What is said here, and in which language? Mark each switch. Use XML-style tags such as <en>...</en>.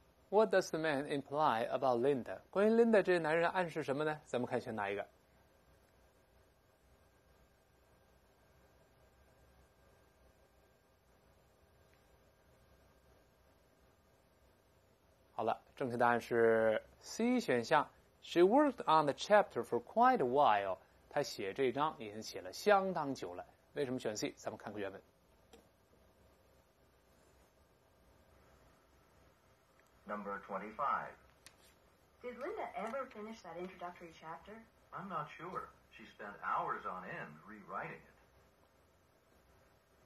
<en>What does the man imply about Linda?</en> <zh>关于 Linda 这个男人暗示什么呢？咱们看选哪一个。好了，正确答案是 C 选项。</zh> <en>She worked on the chapter for quite a while.</en> <zh>她写这章已经写了相当久了。为什么选 C？ 咱们看看原文。</zh> <en>Number 25. Did Linda ever finish that introductory chapter? I'm not sure. She spent hours on end rewriting it.</en>